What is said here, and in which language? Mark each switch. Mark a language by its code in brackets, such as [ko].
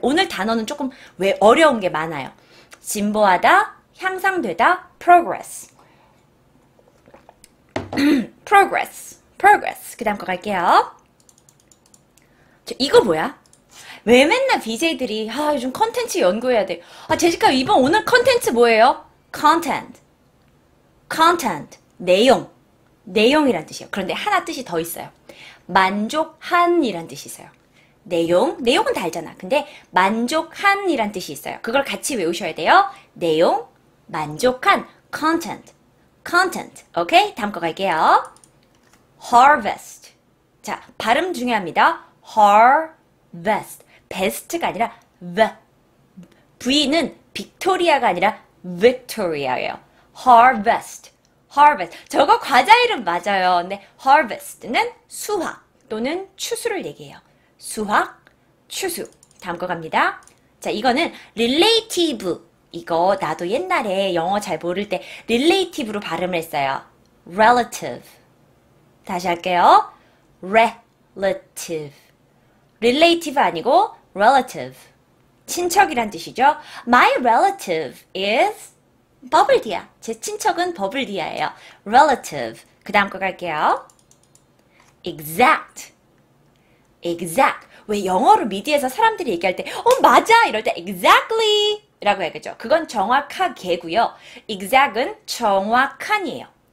[ko] 오늘 단어는 조금 왜 어려운 게 많아요. 진보하다, 향상되다, progress. progress, progress. 그 다음 거 갈게요. 저 이거 뭐야? 왜 맨날 BJ들이 아 요즘 컨텐츠 연구해야 돼. 아 제시카 이번 오늘 컨텐츠 뭐예요? [en] Content, content, 내용. [ko] 내용이란 뜻이에요. 그런데 하나 뜻이 더 있어요. 만족한이란 뜻이 있어요. 내용, 내용은 다 알잖아. 근데 만족한이란 뜻이 있어요. 그걸 같이 외우셔야 돼요. 내용, 만족한, content, content. 오케이? 다음 거 갈게요. Harvest. 자, 발음 중요합니다. Harvest. Best가 아니라 V. V는 Victoria가 아니라 Victoria예요. Harvest. Harvest. 저거 과자 이름 맞아요. 근데 harvest는 수확 또는 추수를 얘기해요. 수확, 추수. 다음 거 갑니다. 자, 이거는 relative. 이거 나도 옛날에 영어 잘 모를 때 relative로 발음을 했어요. relative. 다시 할게요. relative. [en] relative 아니고 relative. [ko] 친척이란 뜻이죠. [en] My relative is 버블디아. [ko] 제 친척은 버블디아예요. relative. 그 다음 거 갈게요. exact. exact. 왜 영어로 미디어에서 사람들이 얘기할 때 어 맞아 이럴 때 exactly 라고 해야겠죠. 그건 정확하게고요. exact은 정확한이에요.